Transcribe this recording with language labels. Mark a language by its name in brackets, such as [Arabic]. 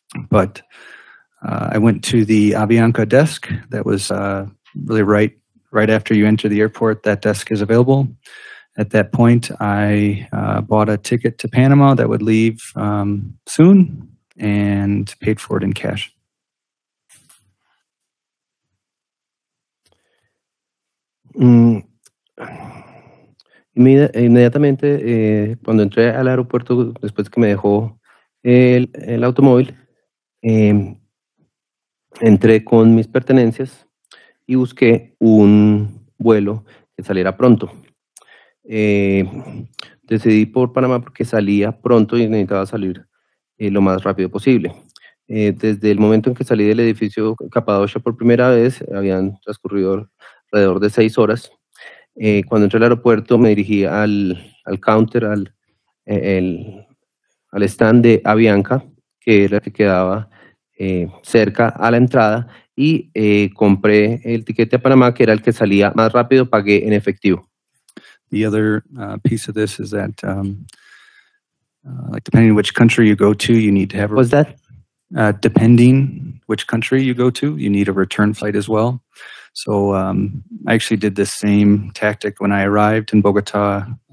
[English] But I went to the Avianca desk that was really right after you enter the airport, that desk is available. At that point, I bought a ticket to Panama that would leave soon and paid for it in cash. [Spanish] Inmediatamente, cuando entré al aeropuerto, después que me dejó el automóvil, entré con mis pertenencias y busqué un vuelo que saliera pronto. Decidí por Panamá porque salía pronto y necesitaba salir lo más rápido posible. Desde el momento en que salí del edificio Capadocia por primera vez, habían transcurrido alrededor de 6 horas. Cuando entré al aeropuerto, me dirigí al counter, al stand de Avianca, que era el que quedaba cerca a la entrada, y compré el tiquete a Panamá, que era el que salía más rápido, pagué en efectivo. [English] The other piece of this is that, depending on which country you go to, you need to have... What's that? Depending which country you go to, you need a return flight as well. So I actually did the same tactic when I arrived in Bogota.